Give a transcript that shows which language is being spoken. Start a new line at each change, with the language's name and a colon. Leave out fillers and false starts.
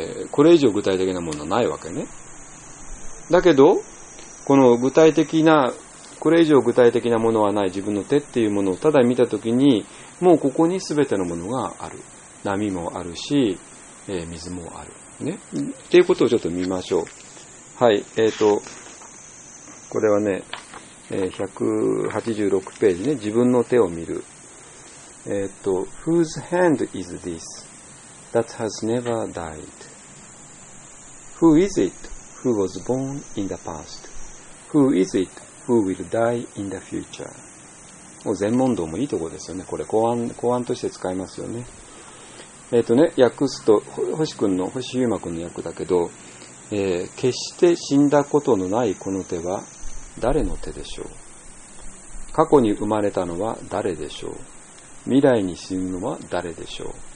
Japanese: これ以上具体的なものはないわけね。だけど、この具体的な、これ以上具体的なものはない自分の手っていうものをただ見たときに、もうここに全てのものがある。波もあるし、水もある。ね。っていうことをちょっと見ましょう。はい。これはね、186ページね、自分の手を見る。
English: Whose hand is this that has never died? Who is it who was born in the past? Who is it who will die in the future?
Japanese: もう禅問答もいいところですよね。これ公案として使いますよね。訳すと、星ゆうまくんの訳だけど、決して死んだことのないこの手は誰の手でしょう。過去に生まれたのは誰でしょう。未来に死ぬのは誰でしょう。